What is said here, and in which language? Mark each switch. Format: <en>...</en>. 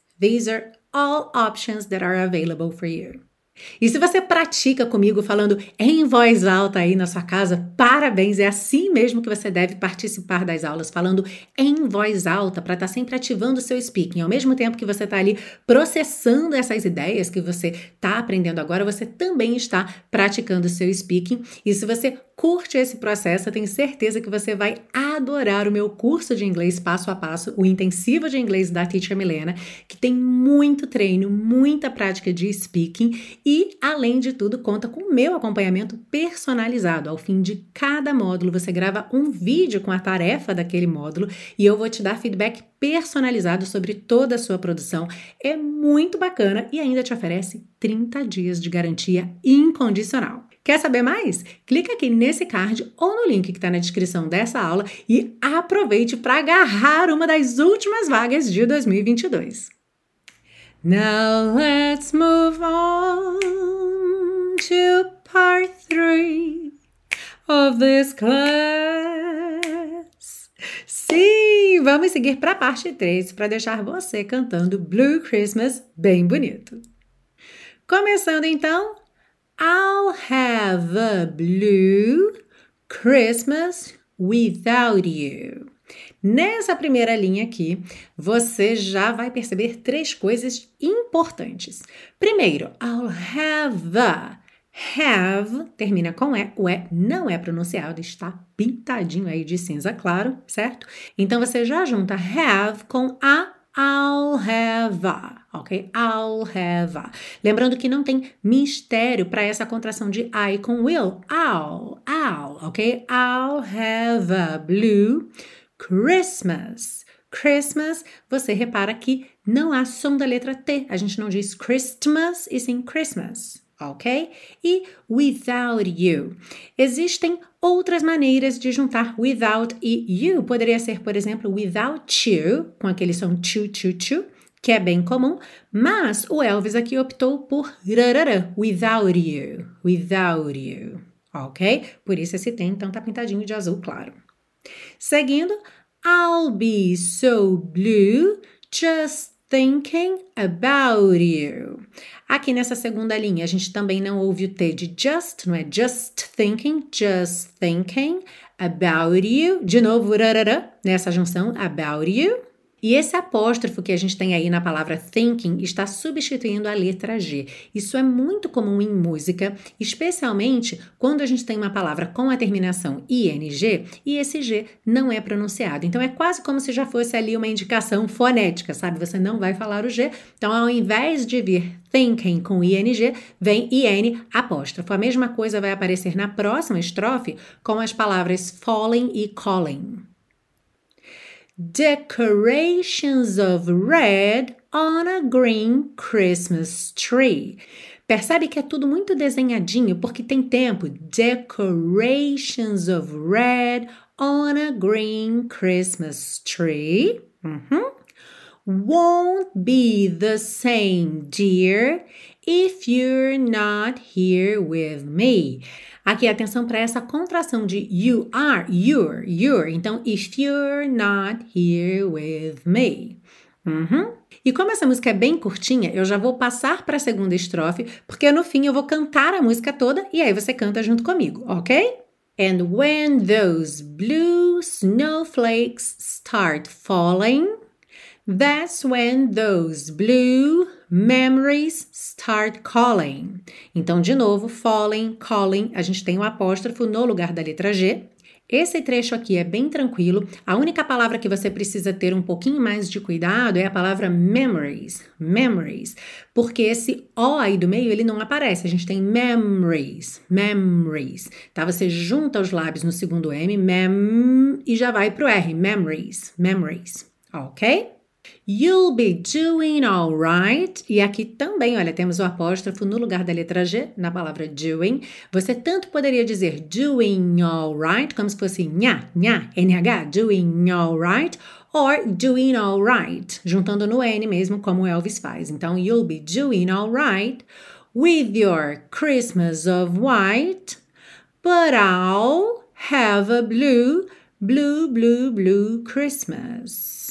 <en>These are all options that are available for you.</en> <pt>E se você pratica comigo falando em voz alta aí na sua casa, parabéns, é assim mesmo que você deve participar das aulas, falando em voz alta para estar sempre ativando o seu speaking. Ao mesmo tempo que você está ali processando essas ideias que você está aprendendo agora, você também está praticando o seu speaking. E se você curte esse processo, eu tenho certeza que você vai adorar o meu curso de inglês passo a passo, o intensivo de inglês da Teacher Milena, que tem muito treino, muita prática de speaking e, além de tudo, conta com o meu acompanhamento personalizado. Ao fim de cada módulo, você grava um vídeo com a tarefa daquele módulo e eu vou te dar feedback personalizado sobre toda a sua produção. É muito bacana e ainda te oferece 30 dias de garantia incondicional. Quer saber mais? Clica aqui nesse card ou no link que está na descrição dessa aula e aproveite para agarrar uma das últimas vagas de 2022.</pt> <en>Now let's move on to part 3 of this class.</en> <pt>Sim, vamos seguir para a parte 3 para deixar você cantando Blue Christmas bem bonito. Começando então,</pt> <en>I'll have a blue Christmas without you.</en> <pt>Nessa primeira linha aqui, você já vai perceber três coisas importantes. Primeiro,</pt> <en>I'll have a.</en> <pt>Have termina com E. O E não é pronunciado, está pintadinho aí de cinza claro, certo? Então, você já junta have com a.</pt> <en>I'll have a,</en> <pt>ok?</pt> <en>I'll have a.</en> <pt>Lembrando que não tem mistério para essa contração de I com will.</pt> <en>I'll, ok? I'll have a blue Christmas.</en> <pt>Christmas, você repara que não há som da letra T. A gente não diz Christmas e sim Christmas, ok? E without you. Existem outras maneiras de juntar without e you. Poderia ser, por exemplo,</pt> <en>without you,</en> <pt>com aquele som tchu, tchu, tchu, que é bem comum, mas o Elvis aqui optou por rarara, without you, without you, ok? Por isso esse tem, então tá pintadinho de azul claro.</pt> <en>Seguindo, I'll be so blue just thinking about you.</en> <pt>Aqui nessa segunda linha, a gente também não ouve o T de just, não é?</pt> <en>Just thinking about you.</en> <pt>De novo, rarara, nessa junção,</pt> <en>about you.</en> <pt>E esse apóstrofo que a gente tem aí na palavra thinking está substituindo a letra G. Isso é muito comum em música, especialmente quando a gente tem uma palavra com a terminação ing e esse G não é pronunciado. Então, é quase como se já fosse ali uma indicação fonética, sabe? Você não vai falar o G. Então, ao invés de vir thinking com ing, vem in apóstrofo. A mesma coisa vai aparecer na próxima estrofe com as palavras falling e calling.</pt> <en>Decorations of red on a green Christmas tree.</en> <pt>Percebe que é tudo muito desenhadinho porque tem tempo.</pt> <en>Decorations of red on a green Christmas tree. Uhum. Won't be the same, dear, if you're not here with me.</en> <pt>Aqui, atenção para essa contração de you are, you're.</pt> <en>Então, if you're not here with me. Uhum.</en> <pt>E como essa música é bem curtinha, eu já vou passar para a segunda estrofe, porque no fim eu vou cantar a música toda e aí você canta junto comigo, ok?</pt> <en>And when those blue snowflakes start falling, that's when those blue memories start calling.</en> <pt>Então, de novo, falling, calling, a gente tem um apóstrofo no lugar da letra G. Esse trecho aqui é bem tranquilo. A única palavra que você precisa ter um pouquinho mais de cuidado é a palavra memories, memories. Porque esse O aí do meio, ele não aparece. A gente tem memories, memories. Tá? Você junta os lábios no segundo M, e já vai pro R, memories, memories, ok?</pt> <en>You'll be doing all right.</en> <pt>E aqui também, olha, temos o apóstrofo no lugar da letra G, na palavra doing. Você tanto poderia dizer</pt> <en>doing all right,</en> <pt>como se fosse nha, nha, NH, doing all right, or doing all right, juntando no N mesmo, como o Elvis faz.</pt> <en>Então, you'll be doing all right with your Christmas of white, but I'll have a blue, blue, blue, blue Christmas.</en>